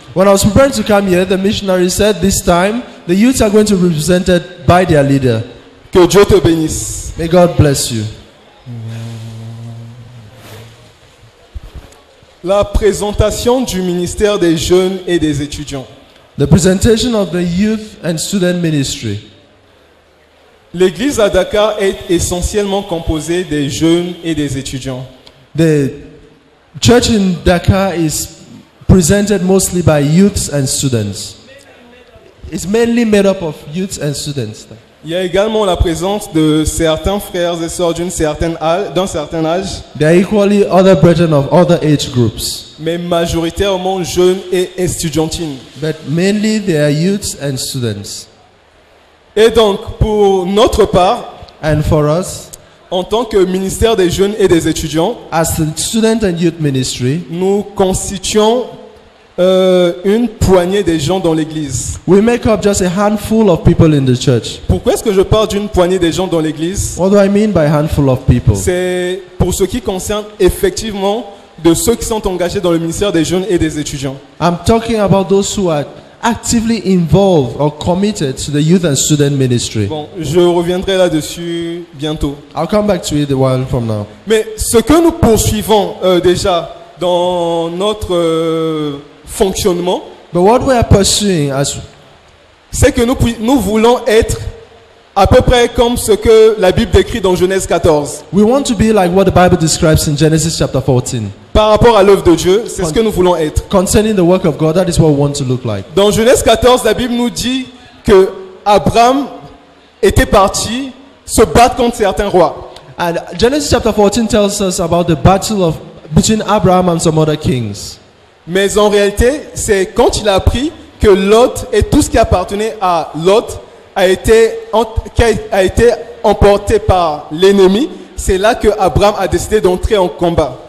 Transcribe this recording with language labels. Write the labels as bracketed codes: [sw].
[en] When I was preparing to come here, the missionary said, this time, the youths are going to be represented by their leader. [fr] Que Dieu te bénisse. [en] May God bless you. [fr] La présentation du ministère des jeunes et des étudiants. [en] The presentation of the youth and student ministry. [fr] L'église à Dakar est essentiellement composée des jeunes et des étudiants. [en] The church in Dakar is presented mostly by youths and students. It's mainly made up of youths and students. [fr] Il y a également la présence de certains frères et sœurs d'un certain âge. [en] They are equally other brethren of other age groups. [fr] Mais majoritairement jeunes et étudiantines. [en] But mainly they are youths and students. [fr] Et donc, pour notre part, [en] and for us, [fr] en tant que ministère des jeunes et des étudiants, [en] as the student and youth ministry, [fr] nous constituons une poignée des gens dans l'église. [en] We make up just a handful of people in the church. [fr] Pourquoi est-ce que je parle d'une poignée des gens dans l'église? [en] What do I mean by handful of people? [fr] C'est pour ce qui concerne effectivement de ceux qui sont engagés dans le ministère des jeunes et des étudiants. [en] I'm talking about those who are actively involved or committed to the youth and student ministry. [fr] Bon, je reviendrai là-dessus bientôt. [en] I'll come back to it a while from now. [fr] Mais ce que nous poursuivons déjà dans notre fonctionnement, [en] but what we are pursuing as, [fr] c'est que nous voulons être à peu près comme ce que la Bible décrit dans Genèse 14. [en] We want to be like what the Bible describes in Genesis chapter 14. [fr] Par rapport à l'œuvre de Dieu, c'est ce que nous voulons être. [en] Concerning the work of God, that is what we want to look like. [fr] Dans Genèse 14, la Bible nous dit que Abraham était parti se battre contre certains rois. [en] And Genesis chapter 14 tells us about the battle of between Abraham and some other kings. [fr] Mais en réalité, c'est quand il a appris que Lot et tout ce qui appartenait à Lot a été emporté par l'ennemi, c'est là que Abraham a décidé d'entrer en combat.